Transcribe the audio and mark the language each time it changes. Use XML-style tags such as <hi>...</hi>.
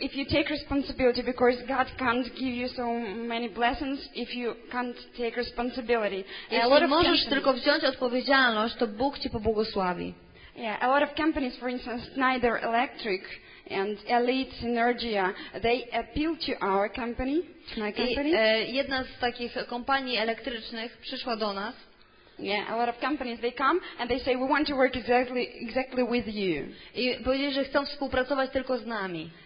<en>If you take responsibility, because God can't give you so many blessings if you can't take responsibility.</en> <pl>Jeśli możesz tylko wziąć odpowiedzialność, to Bóg ci pobłogosławi.</pl> <en>Yeah, a lot of companies, for instance, Schneider Electric and Elite Energia, they appeal to our company. My company.</en> <pl>Jedna z takich kompanii elektrycznych przyszła do nas.</pl> <en>Yeah, a lot of companies they come and they say we want to work exactly with you.</en> <pl>I powiedzieli, że chcą współpracować tylko z nami.</pl>